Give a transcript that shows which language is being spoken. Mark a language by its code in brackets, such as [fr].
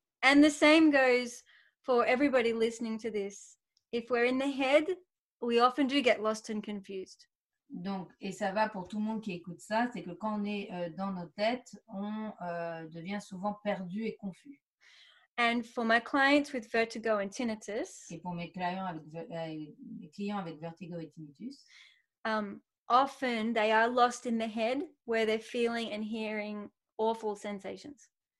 [en] And the same goes for everybody listening to this. If we're in the head, we often do get lost and confused. [fr] Donc, et ça va pour tout le monde qui écoute ça, c'est que quand on est dans nos têtes, on devient souvent perdu et confus. [en] And for my clients with vertigo and tinnitus. [fr] Et pour mes clients avec vertigo et tinnitus. [en] Often they are lost in the head where they're feeling and hearing awful sensations.